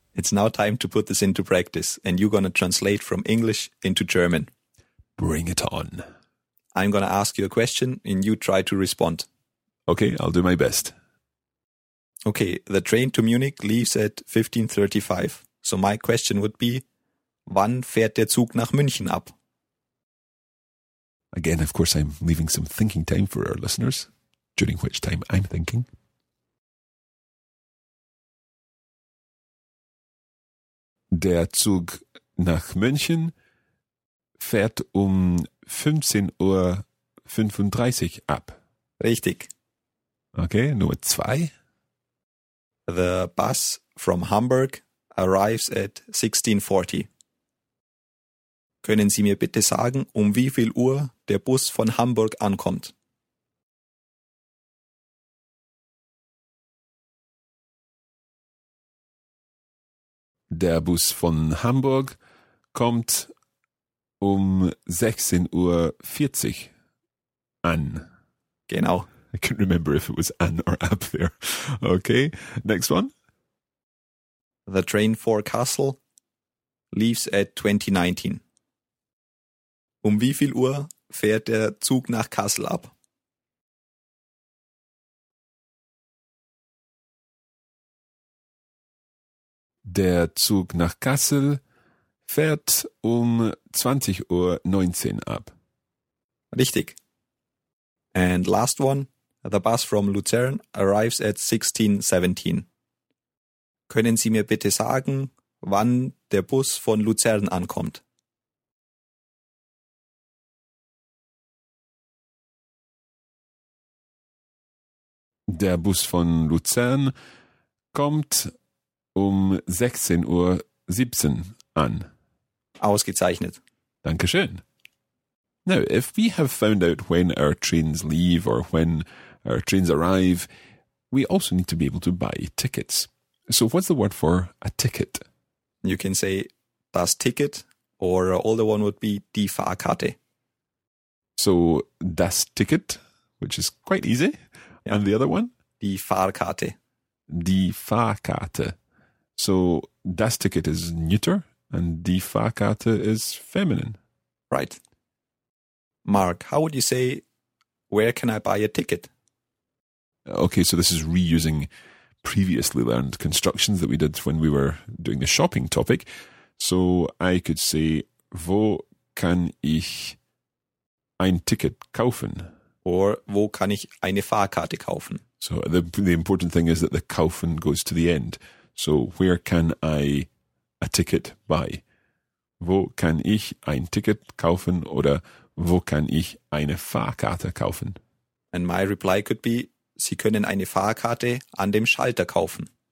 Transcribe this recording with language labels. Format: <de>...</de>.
<en>It's now time to put this into practice, and you're going to translate from English into German. Bring it on. I'm going to ask you a question, and you try to respond. Okay, I'll do my best. Okay, the train to Munich leaves at 15:35. So my question would be,</en> <de>wann fährt der Zug nach München ab?</de> <en>Again, of course, I'm leaving some thinking time for our listeners, during which time I'm thinking.</en> <de>Der Zug nach München fährt 15:35 Uhr ab. Richtig. Okay, Nummer zwei.</de> <en>The bus from Hamburg arrives at 16:40.</en> <de>Können Sie mir bitte sagen, wie viel Uhr der Bus von Hamburg ankommt? Der Bus von Hamburg kommt 16:40 Uhr an. Genau.</de> <en>I can't remember if it was an or ab there. Okay, next one. The train for Kassel leaves at 20:19.</en> <de>Wie viel Uhr fährt der Zug nach Kassel ab? Der Zug nach Kassel fährt 20:19 Uhr ab. Richtig.</de> <en>And last one, the bus from Luzern arrives at 16:17.</en> <de>Können Sie mir bitte sagen, wann der Bus von Luzern ankommt? Der Bus von Luzern kommt 16:17 Uhr an. Ausgezeichnet. Dankeschön.</de> <en>Now, if we have found out when our trains leave or when our trains arrive, we also need to be able to buy tickets. So what's the word for a ticket? You can say das Ticket, or the older one would be die Fahrkarte. So das Ticket, which is quite easy. Yeah. And the other one?</en> <de>Die Fahrkarte. Die Fahrkarte.</de> <en>So, das Ticket is neuter and die Fahrkarte is feminine. Right. Mark, how would you say, where can I buy a ticket? Okay, so this is reusing previously learned constructions that we did when we were doing the shopping topic. So, I could say,</en> <de>wo kann ich ein Ticket kaufen? Or, wo kann ich eine Fahrkarte kaufen?</de> <en>So, the important thing is that the kaufen goes to the end. So, where can I a ticket buy?</en> <de>Wo kann ich ein Ticket kaufen? Oder wo kann ich eine Fahrkarte kaufen?</de> <en>And my reply could be,</en> <de>Sie können eine Fahrkarte an dem Schalter kaufen.</de>